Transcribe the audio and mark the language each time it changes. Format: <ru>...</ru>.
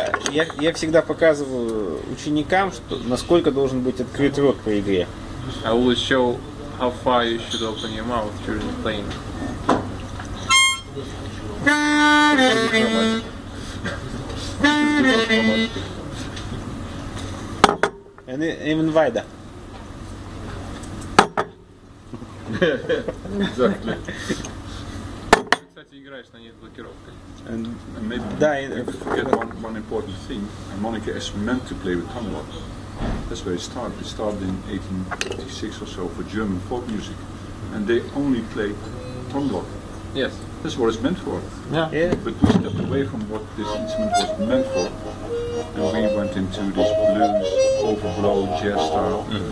<ru>Я всегда показываю ученикам, что насколько должен быть открыт рот по игре.</ru> <en>I will show how far you should open your mouth during playing. And even wider. Exactly.</en> <ru>Кстати, играешь на ней с блокировкой.</ru> <en>Maybe forget one important thing. Harmonica is meant to play with tongue locks. That's where it started. It started in 1886 or so for German folk music. And they only play tongue lock. Yes. That's what it's meant for. Yeah. But we stepped away from what this instrument was meant for. And we went into this blues, overblown jazz style.</en>